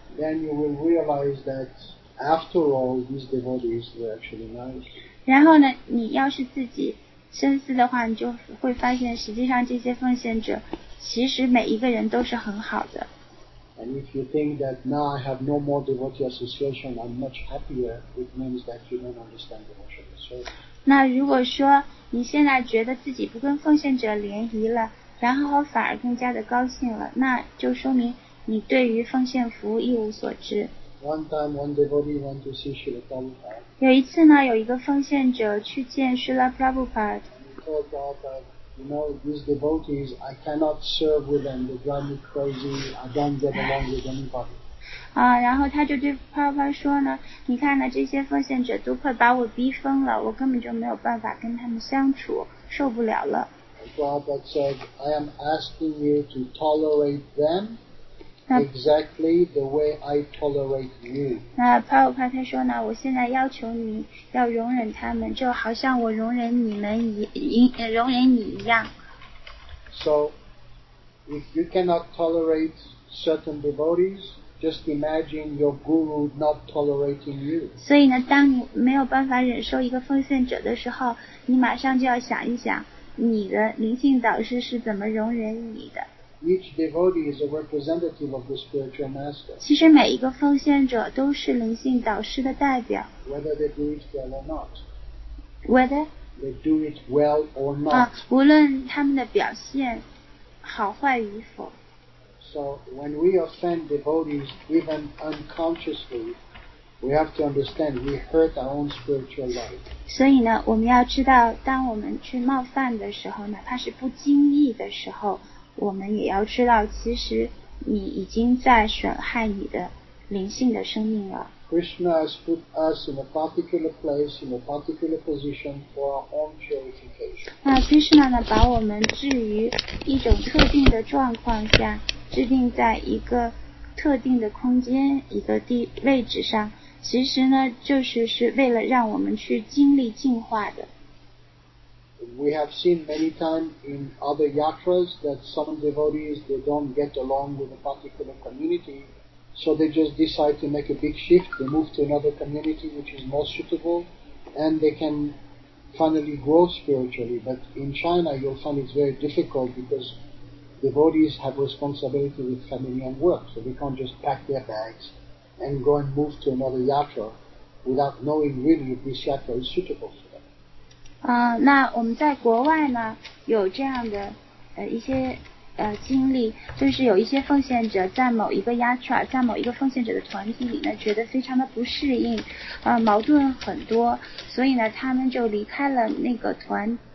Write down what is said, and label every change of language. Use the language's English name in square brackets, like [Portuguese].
[English] Then you will realize that after all, these devotees were actually nice. [Chinese] 然后呢，你要是自己深思的话，你就会发现，实际上这些奉献者，其实每一个人都是很好的。 [English] And if you think that now I have no more devotee association, I'm much happier, it means that you don't understand devotion. So. [Chinese] 那如果说你现在觉得自己不跟奉献者联谊了，然后反而更加的高兴了，那就说明。你对于奉献服务一无所知。 [English] One time, one devotee went to see Srila Prabhupada. [Chinese] 有一次呢，有一个奉献者去见 Srila Prabhupada. [English] He told God that, you know, these devotees, I cannot serve with them. They drive me crazy. I don't get along with anybody. [Chinese] 然后他就对 Prabhupada 说呢，你看呢，这些奉献者都快把我逼疯了，我根本就没有办法跟他们相处，受不了了。 [English] Prabhupada said, I am asking you to tolerate them. Exactly the way I tolerate you. [Chinese] 那帕鲁帕他说呢，我现在要求你要容忍他们，就好像我容忍你们容忍你一样。 [English] So, if you cannot tolerate certain devotees, just imagine your guru not tolerating you. [Chinese] 所以呢，当你没有办法忍受一个奉献者的时候，你马上就要想一想，你的灵性导师是怎么容忍你的。 [English] Each devotee is a representative of the spiritual master. [Chinese] 其实每一个奉献者都是灵性导师的代表。 [English] Whether they do it well or not. Whether they do it well or not. [Chinese] 无论他们的表现好坏与否。 [English] So when we offend devotees, even unconsciously, we have to understand we hurt our own spiritual life. [Chinese] 所以呢，我们要知道，当我们去冒犯的时候，哪怕是不经意的时候。我们也要知道，其实你已经在损害你的灵性的生命了。 [English] Krishna has put us in a particular place, in a particular position for our own purification. [Chinese] 那 Krishna 呢，把我们置于一种特定的状况下，制定在一个特定的空间、一个位置上，其实呢，就是为了让我们去经历净化的。 [English] We have seen many times in other yatras that some devotees they don't get along with a particular community, so they just decide to make a big shift. They move to another community which is more suitable, and they can finally grow spiritually. But in China, you'll find it's very difficult because devotees have responsibility with family and work, so they can't just pack their bags and go and move to another yatra without knowing really if this yatra is suitable. [Chinese] 那我们在国外呢有这样的一些经历就是有一些奉献者在某一个 yatra 在某一个奉献者的团体里呢觉得非常的不适应矛盾很多所以呢他们就离开了那个团